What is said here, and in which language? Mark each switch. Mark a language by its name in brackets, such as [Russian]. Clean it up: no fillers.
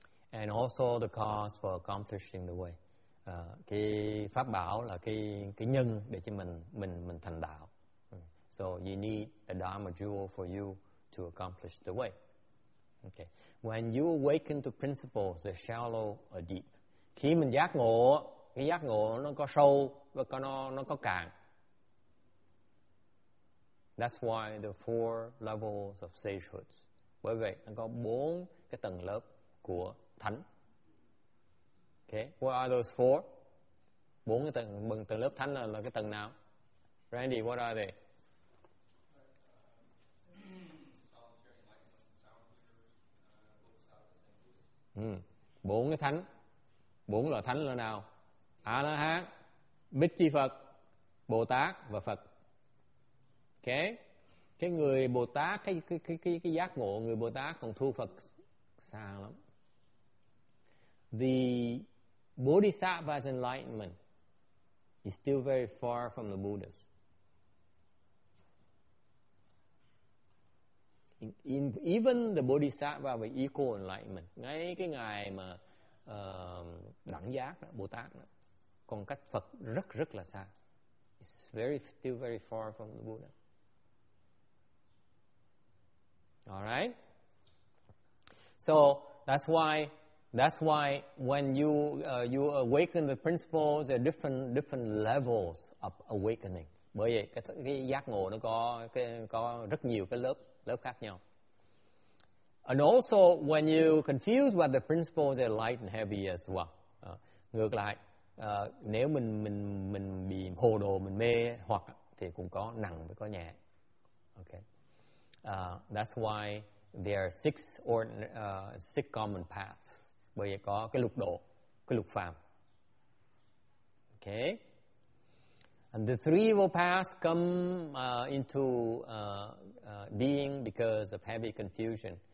[English] And also the cause for accomplishing the way, [Vietnamese] cái pháp bảo là cái nhân để cho mình thành đạo. [English] So you need a Dharma jewel for you to accomplish the way. Okay. When you awaken to principles, they're shallow or deep. [Vietnamese] Khi mình giác ngộ, cái giác ngộ nó có sâu và nó có cạn. [English] That's why the four levels of sagehood. [Vietnamese] Bởi vậy nó có bốn cái tầng lớp của thánh. [English] Okay. What are those four? [Vietnamese] Bốn cái tầng lớp thánh là cái tầng nào? [English] Randy, what are they? [Vietnamese] Bốn cái thánh, bốn loại thánh là nào? A La Hán, Bích Chi Phật, Bồ Tát và Phật. Okay. Cái người Bồ Tát, cái giác ngộ người Bồ Tát còn thua Phật xa lắm. [English] The Bodhisattva's enlightenment is still very far from the Buddha's. even the Bodhisattva with equal enlightenment, [Vietnamese] ngay cái ngài mà đẳng giác đó, Bồ Tát đó, còn cách Phật rất rất là xa. [English] It's very still very far from the Buddha. All right. So that's why when you awaken the principles, there are different levels of awakening. [Vietnamese] Bởi vậy cái giác ngộ nó có rất nhiều cái lớp khác nhau. [English] And also when you confuse about the principles, they're light and heavy as well. [Vietnamese] Ngược lại, nếu mình bị hồ đồ, mình mê hoặc thì cũng có nặng và có nhẹ. Okay. [English] That's why there are six common paths. [Vietnamese] Bởi vậy có cái lục độ, cái lục phàm. [English] Okay. And the three evil paths come into being because of heavy confusion.